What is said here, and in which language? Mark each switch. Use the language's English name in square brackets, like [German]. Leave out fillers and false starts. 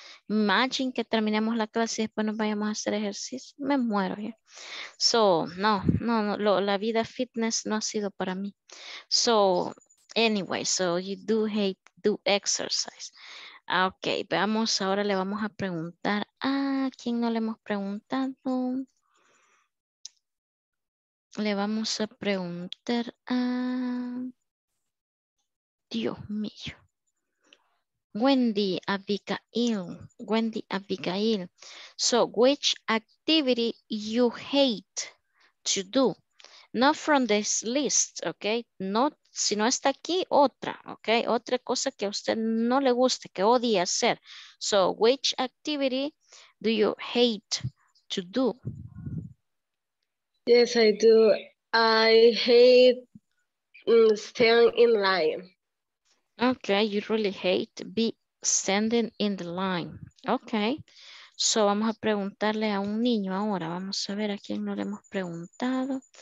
[Spanish] Imagine que terminemos la clase y después nos vayamos a hacer ejercicio. Me muero ya. So, no, la vida fitness no ha sido para mí. [English] So, anyway, so you do hate do exercise. [Spanish] Ok, veamos, ahora le vamos a preguntar a quién no le hemos preguntado. Le vamos a preguntar a... Dios mío. Wendy Abigail. Wendy Abigail. [English] So, which activity you hate to do? Not from this list, okay? Not, si no está aquí, otra, okay? [Spanish] Otra cosa que a usted no le guste, que odie hacer. [English] So, which activity do you hate to do? Yes, I do. I hate staying in line. Okay, you really hate to be standing in the line. [Spanish] Okay, so vamos a preguntarle a un niño ahora. Vamos a ver a quién no le hemos preguntado.